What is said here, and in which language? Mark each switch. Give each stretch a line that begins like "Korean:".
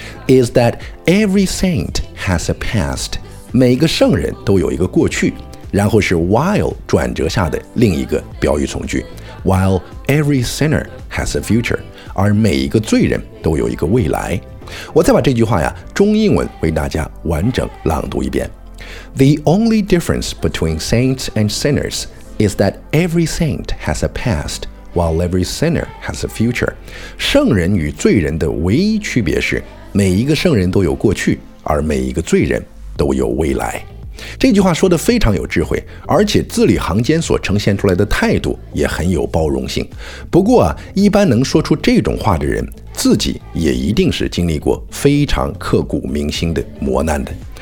English: is that every saint has a past，
Chinese: 每个圣人都有一个过去，然后是 while 转折下的另一个表语从句。
English: While every sinner has a future，
Chinese: 而每一个罪人都有一个未来。我再把这句话呀，中英文为大家完整朗读一遍。
English: The only difference between saints and sinners is that every saint has a past while every sinner has a future。
Chinese: 圣人与罪人的唯一区别是，每一个圣人都有过去，而每一个罪人都有未来。这句话说得非常有智慧，而且字里行间所呈现出来的态度也很有包容性。不过啊，一般能说出这种话的人，自己也一定是经历过非常刻骨铭心的磨难的。